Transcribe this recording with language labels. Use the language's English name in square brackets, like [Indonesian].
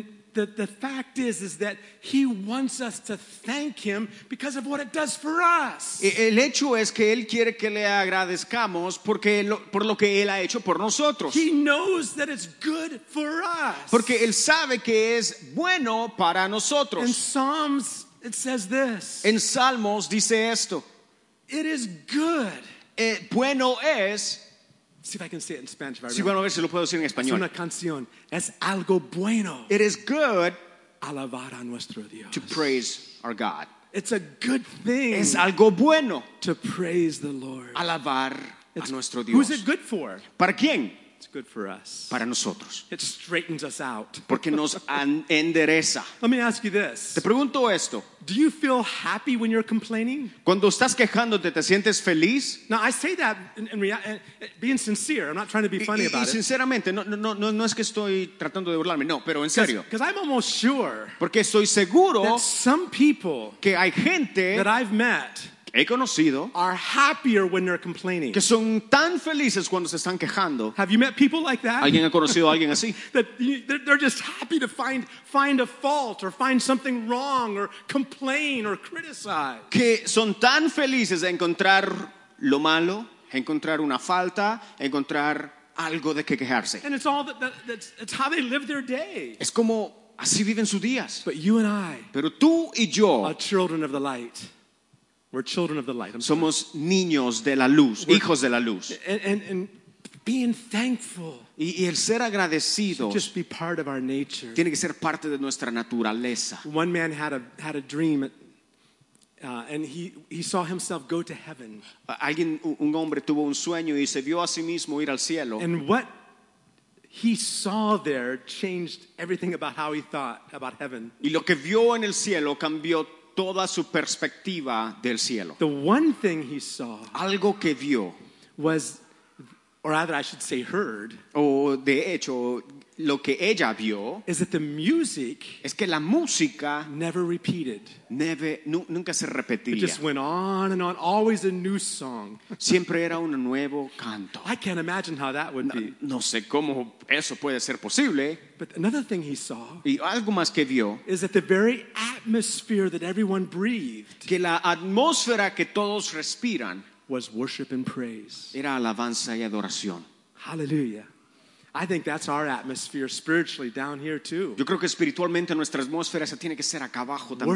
[English] And the fact is that he wants us to thank him because of what it does for us. [Spanish] El hecho es que él quiere que le agradezcamos porque por lo que él ha hecho por nosotros. [English] He knows that it's good for us. [Spanish] Porque él sabe que es bueno para nosotros. [English] In Psalms it says this. [Spanish] En Salmos dice esto. [English] It is good. [Spanish] Bueno es. [English] See if I can say it in Spanish. [Spanish] Sí, bueno, a ver si lo puedo decir en español. Es una canción. Es algo bueno. [English] It is good. [Spanish] Alabar a nuestro Dios. [English] To praise our God. It's a good thing. [Spanish] Es algo bueno. [English] To praise the Lord. [Spanish] Alabar a nuestro Dios. [English] Who's it good for? [Spanish] ¿Para quién? [English] It's good for us. [Spanish] Para nosotros. [English] It straightens us out. [Spanish] Porque nos endereza. [English] Let me ask you this. [Spanish] Te pregunto esto. [English] Do you feel happy when you're complaining? [Spanish] Cuando estás quejándote, ¿te sientes feliz? [English] Now I say that being sincere. I'm not trying to be funny about it. [Spanish] Y sinceramente, no es que estoy tratando de burlarme. No, pero en serio. [English] Because I'm almost sure. [Spanish] Porque estoy seguro. [English] That some people. [Spanish] Que hay gente. [English] That I've met. [Spanish] He conocido [English] are happier when they're complaining. [Spanish] Que son tan felices cuando se están quejando. [English] Have you met people like that? [Spanish] ¿Alguien ha conocido a alguien así? [English] That they're just happy to find a fault or find something wrong or complain or criticize. [Spanish] Que son tan felices de encontrar lo malo, encontrar una falta, encontrar algo de que quejarse. [English] And it's all it's how they live their day. [Spanish] Es como así viven sus días. [English] But you and I, [Spanish] pero tú y yo, [English] are children of the light. We're children of the light. [Spanish] Somos niños de la luz, hijos de la luz. [English] And being thankful. [Spanish] Y el ser agradecido. [English] Should just be part of our nature. [Spanish] Tiene que ser parte de nuestra naturaleza. [English] One man had a dream, and he saw himself go to heaven. [Spanish] Alguien, un hombre tuvo un sueño y se vio a sí mismo ir al cielo. [English] And what he saw there changed everything about how he thought about heaven. [Spanish] Y lo que vio en el cielo cambió toda su perspectiva del cielo. [English] The one thing he saw, [Spanish] algo que vio, [English] was, or rather I should say heard, [Spanish] o de hecho, lo que ella vio, [English] is that the music, [Spanish] es que la música, [English] never repeated, [Spanish] nunca se repetía. [English] It just went on and on, always a new song. [Spanish] Siempre era un nuevo canto. [English] I can't imagine how that would be. [Spanish] No sé cómo eso puede ser posible. [English] But another thing he saw, [Spanish] y algo más que vio, [English] is that the very atmosphere that everyone breathed, [Spanish] que la atmósfera que todos respiran, [English] was worship and praise. [Spanish] Era alabanza y adoración. [English] Hallelujah. I think that's our atmosphere spiritually down here too. [Spanish] Yo creo que espiritualmente nuestra atmósfera esa tiene que ser acá abajo también.